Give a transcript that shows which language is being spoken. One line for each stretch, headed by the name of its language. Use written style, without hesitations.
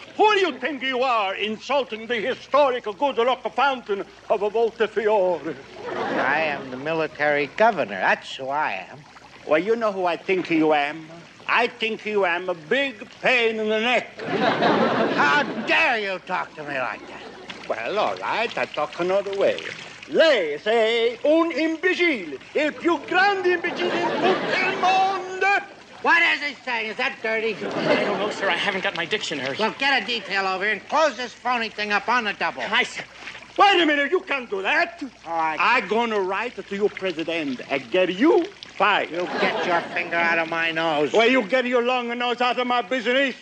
English: Who do you think you are, insulting the historical good luck fountain of a Voltefiore? I am the military governor. That's who I am. Well, you know who I think you am? I think you am a big pain in the neck. How dare you talk to me like that? Well, all right, I talk another way.
Italian: Lei sei un imbecile, il più grande imbecile in tutto il mondo.
English: What is he saying? Is that dirty? I don't know, sir. I haven't got my dictionary. Well, get a detail over here and close this phony thing up on the double. I said, wait a minute. You can't do that. All right. I'm going to write to your president and get you fired. You get your finger out of my nose. Well, you get your long nose out of my business.